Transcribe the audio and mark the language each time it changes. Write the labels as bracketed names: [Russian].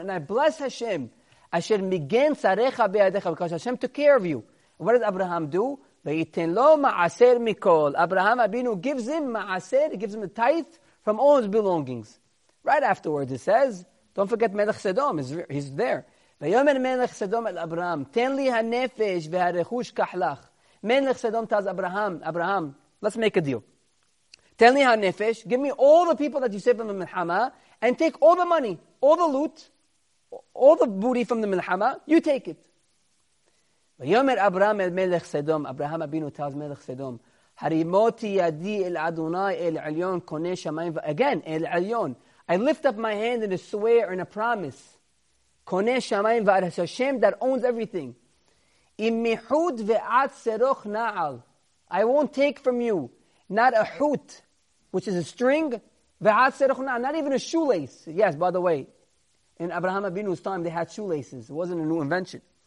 [English] And I bless Hashem, [Hebrew] Asher Migen Sarecha Be'adecha, [English] because Hashem took care of you. What does Abraham do? [Hebrew] Ve'iten lo ma'aser mikol. [English] Abraham Abinu gives him ma'aser, he gives him a tithe from all his belongings. Right afterwards he says, don't forget Melech Sedom, he's there. [Hebrew] ויאמר מלך סדום אל אברהם, תן לי הנפש והרכוש כחלך. [English] מלך סדום tells Abraham, let's make a deal. [Hebrew] תן לי הנפש, [English] give me all the people that you saved from the milhama, and take all the money, all the loot, all the booty from the milhama, you take it. [Hebrew] ויאמר אברהם אל מלך סדום, אברהם אבינו tells מלך סדום, הרימותי ידי אל אדוני אל עליון קונה שמיים, again, אל עליון, [English] I lift up my hand in a swear and a promise. [Hebrew] Kone shamayim va'aretz, [English] Hashem that owns everything. [Hebrew] Im mihud ve'at seroch na'al. [English] I won't take from you, not a hut, which is a string, [Hebrew] ve'at seroch na'al, [English] not even a shoelace. Yes, by the way, in Abraham Avinu's time, they had shoelaces. It wasn't a new invention.